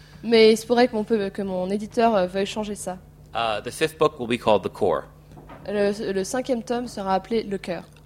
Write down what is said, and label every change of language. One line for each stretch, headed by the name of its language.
French: Mais il se pourrait que mon éditeur veuille changer ça.
English: The fifth book will be called The Core.
French: Le cinquième tome sera appelé Le Cœur.